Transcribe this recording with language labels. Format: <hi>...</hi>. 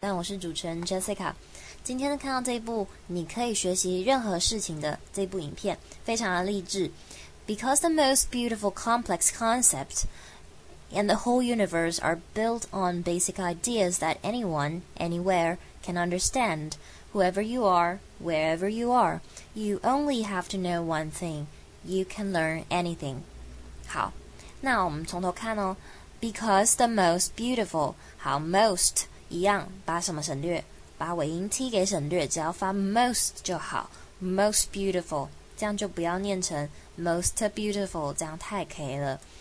<zh>但我是主持人 Jessica。今天看到这部你可以学习任何事情的这部影片，非常的励志。</zh> <en>Because the most beautiful complex concept and the whole universe are built on basic ideas that anyone, anywhere can understand. Whoever you are, wherever you are, you only have to know one thing. You can learn anything.</en> <zh>好，那我们从头看哦。</zh> <en>Because the most beautiful，</en> <zh>好， most一样，把什么省略，把尾音 T 给省略，只要发 most 就好， most beautiful， 这样就不要念成 most beautiful， 这样太 K 了。</zh>